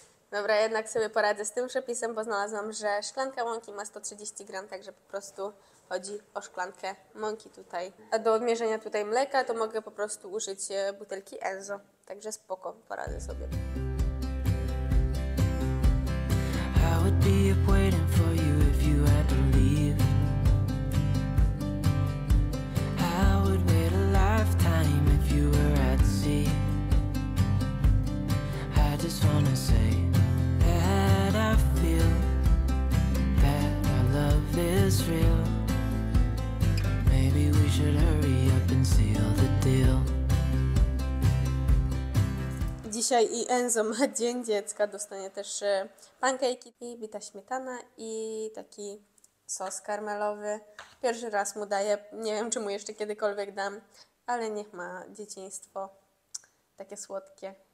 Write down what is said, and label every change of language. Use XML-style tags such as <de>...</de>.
<pl>Dobra, jednak sobie poradzę z tym przepisem, bo znalazłam, że szklanka mąki ma 130 gram, także po prostu chodzi o szklankę mąki tutaj. A do odmierzenia tutaj mleka to mogę po prostu użyć butelki Enzo. Także spoko, poradzę sobie.</pl> <en>I would be up waiting for you if you had to leave. I would wait a lifetime if you were at sea. I just wanna say that I feel that our love is real. Maybe we should hurry up and seal the deal.</en> <pl>Dzisiaj i Enzo ma dzień dziecka, dostanie też pancake'i i bita śmietana i taki sos karmelowy. Pierwszy raz mu daję, nie wiem czy mu jeszcze kiedykolwiek dam, ale niech ma dzieciństwo takie słodkie.</pl>